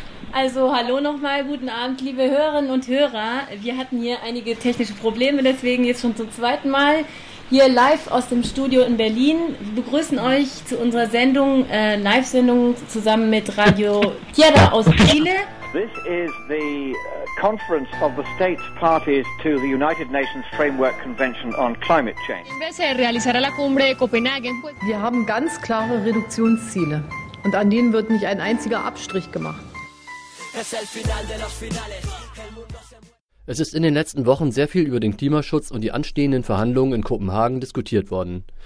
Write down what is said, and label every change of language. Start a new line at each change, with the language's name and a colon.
German: Also hallo nochmal, guten Abend, liebe Hörerinnen und Hörer. Wir hatten hier einige technische Probleme, deswegen jetzt schon zum 2. Mal hier live aus dem Studio in Berlin. Wir begrüßen euch zu unserer Sendung, Live-Sendung zusammen mit Radio Tierra aus Chile.
English: This is the conference of the states parties to the United Nations Framework Convention on Climate Change.
German: Wir haben ganz klare Reduktionsziele und an denen wird nicht ein einziger Abstrich gemacht. Es ist in den letzten Wochen sehr viel über den Klimaschutz und die anstehenden Verhandlungen in Kopenhagen diskutiert worden.